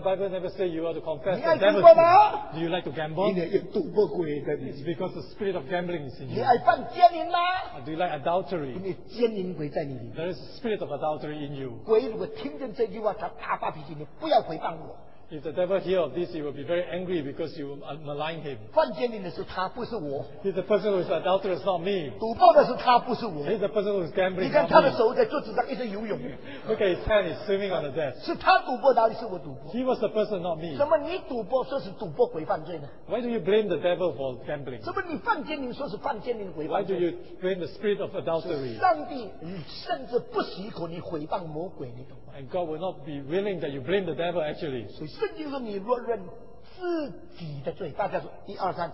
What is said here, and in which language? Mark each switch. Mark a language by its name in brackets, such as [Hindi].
[English] Bible never says you are to confess the devil's sins. [Chinese] 你爱赌博吗？ [English] Do you like to gamble? [Chinese] 你爱赌博鬼的。 [English] It's because the spirit of gambling is in you. [Chinese] 你爱犯奸淫吗？ [English] Do you like adultery? [Chinese] 因为奸淫鬼在你里面。 [English] There is a spirit of adultery in you. [Chinese] 鬼如果听见这句话，他大发脾气，你不要回谤我。 [English] If the devil hears of this, he will be very angry because you malign him. [Chinese] 犯奸淫的是他，不是我。 [English] He's the person who is adulterous, not me. [Chinese] 赌博的是他，不是我。 [English] He's the person who is gambling. [Chinese] 你看他的手在桌子上一直游泳。 [English] Look at his hand, he's swimming on the desk. [Chinese] 是他赌博，哪里是我赌博？ [English] He was the person, not me. [Chinese] 怎么你赌博说是赌博鬼犯罪呢？ [English] Why do you blame the devil for gambling? [Chinese] 怎么你犯奸淫说是犯奸淫鬼犯罪？ [English] Why do you blame the spirit of adultery? [Chinese] 上帝甚至不许可你毁谤魔鬼，你懂吗？ [English] And God will not be willing that you blame the devil actually. [Chinese] 圣经说你若认自己的罪，大家说一二三。